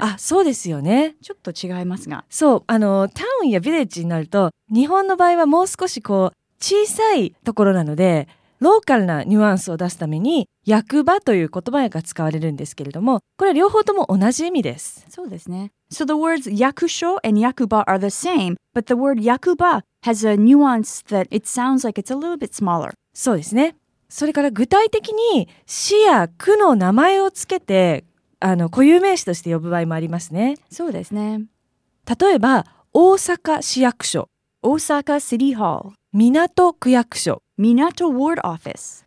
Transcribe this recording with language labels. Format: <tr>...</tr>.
<ja>あ、そうですよね。ちょっと違いますが、そう、あのタウンやヴィレッジになると日本の場合はもう少しこう小さいところなのでローカルなニュアンスを出すために役場という言葉が使われるんですけれども、これは両方とも同じ意味です。そうですね。</ja> <en>So the words 役所 and 役場 are the same, but the word 役場 has a nuance that it sounds like it's a little bit smaller.</en> <ja>そうですね。それから具体的に市や区の名前をつけてあの固有名詞として呼ぶ場合もありますね。そうですね。例えば大阪市役所、</ja> <en>大阪 City Hall、</en> <ja>港区役所、</ja> <en>港 Ward Office。</en>